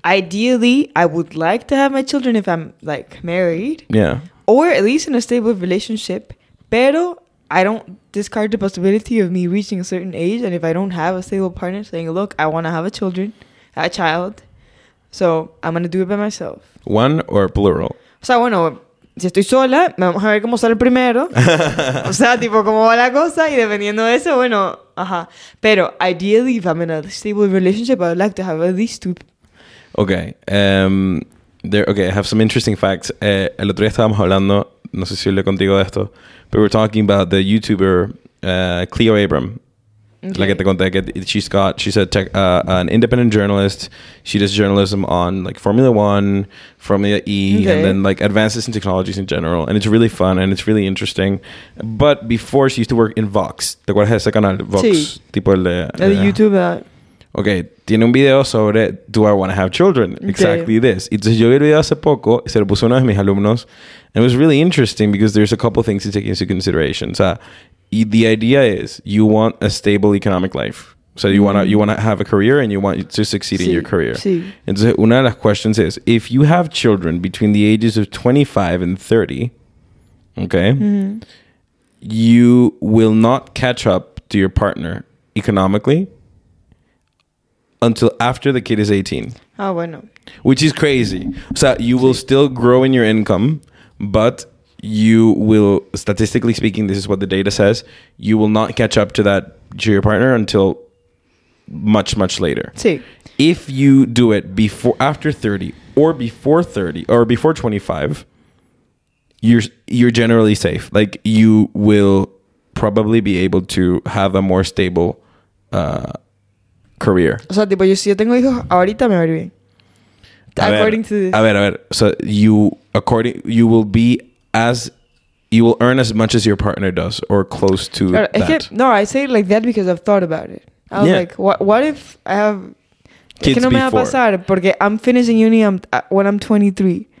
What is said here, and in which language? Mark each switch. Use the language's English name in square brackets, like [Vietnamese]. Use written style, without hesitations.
[English] Ideally, I would like to have my children if I'm, like, married. Yeah. or at least in a stable relationship. [Spanish] Pero [English] I don't discard the possibility of me reaching a certain age, and if I don't have a stable partner, saying, look, I want to have a child, so I'm going to do it by myself. One or plural? [Spanish] O sea, bueno, si estoy sola, vamos a ver cómo sale primero. O sea, tipo, cómo va la cosa, y dependiendo de eso, bueno, ajá. Pero, [English] ideally, if I'm in a stable relationship, I would like to have at least two. Okay. Okay, I have some interesting facts. [Spanish] El otro día estábamos hablando, no sé si hablé contigo de esto, [English] but we're talking about the YouTuber Cleo Abram. [Spanish] Okay. La que te conté, que [English] she's an independent journalist. She does journalism on like Formula One, Formula E, okay. And then like advances in technologies in general. And it's really fun and it's really interesting. But before, she used to work in Vox. [Spanish] ¿Te acuerdas de ese canal? Vox. Sí. Tipo el de... [English] El YouTube that. Okay, [Spanish] tiene un video sobre [English] Do I Want to Have Children? Okay. Exactly this. [Spanish] Entonces yo vi el video hace poco y se lo puse a uno de mis alumnos. [English] And it was really interesting because there's a couple things to take into consideration. [Spanish] O sea, [English] the idea is you want a stable economic life. So you want to have a career and you want to succeed in your career. [Spanish] Sí. Entonces una de las [English] questions is, if you have children between the ages of 25 and 30, okay, you will not catch up to your partner economically until after the kid is 18. [Spanish] Ah, oh, bueno. [English] Which is crazy. So you will still grow in your income, but you will, statistically speaking, this is what the data says, you will not catch up to that to your partner until much, much later. [Spanish] Sí. [English] If you do it before, after 30 or before 30 or before 25, you're generally safe. Like, you will probably be able to have a more stable career. [Spanish] O sea, tipo, yo si yo tengo hijos, ahorita me va a ir bien. A ver. [English] So you will be as, you will earn as much as your partner does or close to that. No, I say it like that because I've thought about it. I was like, what if I have kids before? [Spanish] Me va a pasar porque [English] I'm finishing uni when I'm 23.